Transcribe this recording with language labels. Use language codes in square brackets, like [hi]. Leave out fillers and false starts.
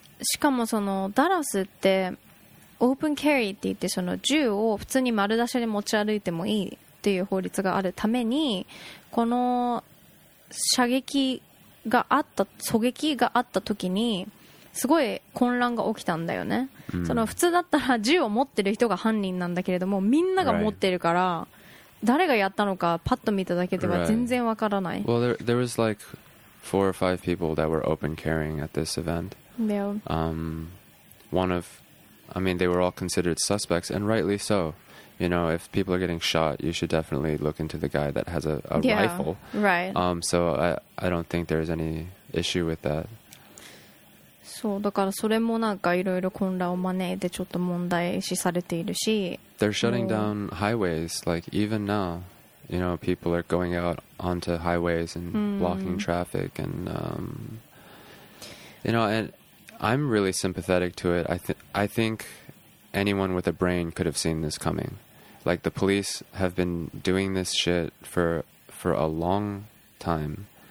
[ja] しかもそのダラスってオープンキャリーって言ってその銃を普通に丸出しで持ち歩いてもいいっていう法律があるためにこの射撃があった狙撃があった時にすごい混乱が起きたんだよね。その普通だったら銃を持ってる人が犯人なんだけれどもみんなが持ってるから誰がやったのかパッと見ただけでは全然わからない。 [en] Well, there was like four or five people that were open carrying at this event. Yeah. They were all considered suspects, and rightly so. You know, if people are getting shot, you should definitely look into the guy that has a rifle. Right. So I don't think there's any issue with that. [ja] そう、だからそれもなんかいろいろ混乱を招いてちょっと問題視されているし。 [en] They're shutting down highways, like even now. You know, people are going out onto highways and blocking traffic and, you know, and I'm really sympathetic to it. I think anyone with a brain could have seen this coming. Like the police have been doing this shit for a long time.